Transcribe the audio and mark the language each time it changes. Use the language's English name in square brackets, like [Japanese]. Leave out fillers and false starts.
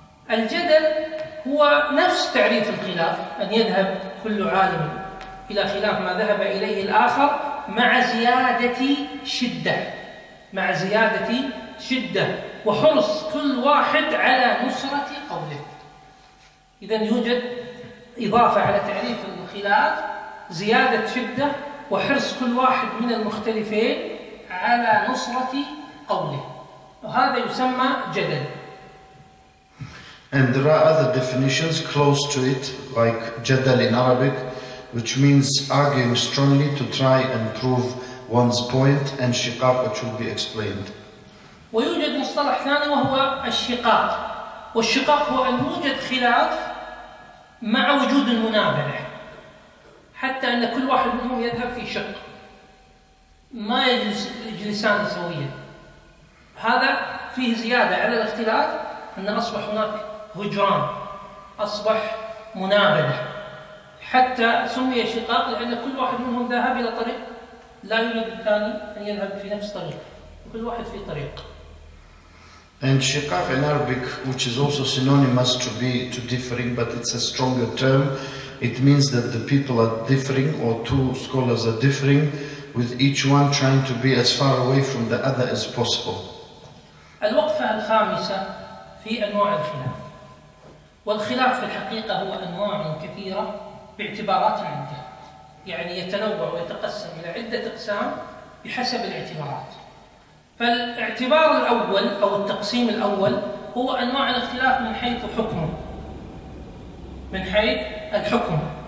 [Arabic] الجدل هو نفس تعريف الخلاف، أن يذهب كل عالم إلى خلاف ما ذهب إليه الآخر مع زيادة شدة، مع زيادة شدة وحرص كل واحد على نصرة قوله. إذن يوجد إضافة على تعريف الخلاف زيادة شدة وحرص كل واحد من المختلفين على نصرة قوله، وهذا يسمى جدل. [English] And there are other definitions close to it like جدل in Arabic, which means arguing strongly to try and prove one's point, and شقاق, which will be explained. [Arabic] ويوجد مصطلح ثاني وهو الشقاق، والشقاق هو أن يوجد خلاف مع وجود المنابلة، حتى أن كل واحد منهم يذهب في شق، ما يجلسان سويا، هذا فيه زيادة على الاختلاف، أن أصبح هناك هجران، أصبح منابلة، حتى سمي شقاق لأن كل واحد منهم ذهب إلى طريق لا يريد الثاني أن يذهب في نفس طريق، وكل واحد في طريق. [English] And shiqaq in Arabic, which is also synonymous to differing, but it's a stronger term. It means that the people are differing, or two scholars are differing, with each one trying to be as far away from the other as possible. [Arabic] الوقفة الخامسة في أنواع الخلاف. والخلاف في الحقيقة هو أنواع كثيرة باعتبارات عدة. يعني يتنوع ويتقسم إلى عدة أقسام بحسب الاعتبارات. فالاعتبار الأول أو التقسيم الأول هو أنواع الاختلاف من حيث حكمه، من حيث الحكم.